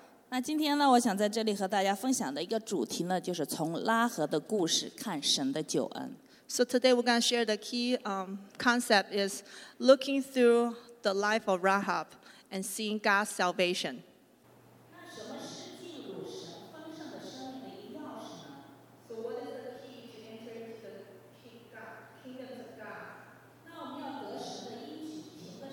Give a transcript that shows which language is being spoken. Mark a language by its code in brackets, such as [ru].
[zh] 那今天呢，我想在这里和大家分享的一个主题呢，就是从拉合的故事看神的救恩。 [en] So today we're going to share the key concept is looking through the life of Rahab and seeing God's salvation. [zh] 那什么是进入神丰盛的生命的钥匙呢？ [en] So what is the key to enter into the kingdom of God? [zh] 那我们要得神的